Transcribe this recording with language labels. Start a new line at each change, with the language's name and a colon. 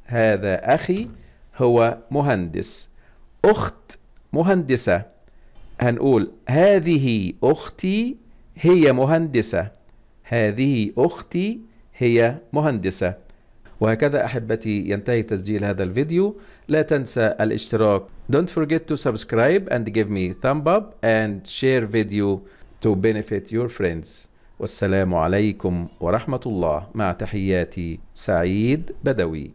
Arabic: هذا أخي هو مهندس. أخت مهندسة. هنقول هذه أختي هي مهندسة. هذه أختي هي مهندسة. وهكذا أحبتي ينتهي تسجيل هذا الفيديو. لا تنسى الاشتراك.
English: Don't forget to subscribe and give me thumb up and share video to benefit your friends.
Arabic: والسلام عليكم ورحمة الله. مع تحياتي سعيد بدوي.